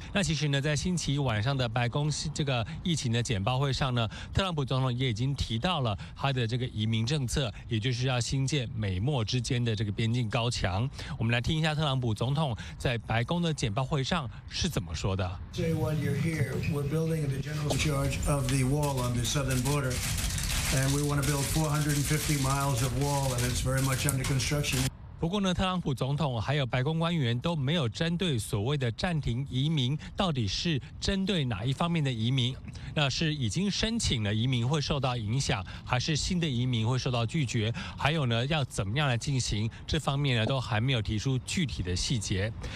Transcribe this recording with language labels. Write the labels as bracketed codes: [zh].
[zh] 那其实呢，在星期一晚上的白宫这个疫情的简报会上呢，特朗普总统也已经提到了他的这个移民政策，也就是要新建美墨之间的这个边境高墙。我们来听一下特朗普总统在白宫的简报会上是怎么说的。 [en] Today while you're here, we're building the general's charge of the wall on the southern border. And we want to build 450 miles of wall, and it's very much under construction. [zh] 不过呢，特朗普总统还有白宫官员都没有针对所谓的暂停移民到底是针对哪一方面的移民，那是已经申请了移民会受到影响，还是新的移民会受到拒绝，还有呢要怎么样来进行，这方面呢都还没有提出具体的细节。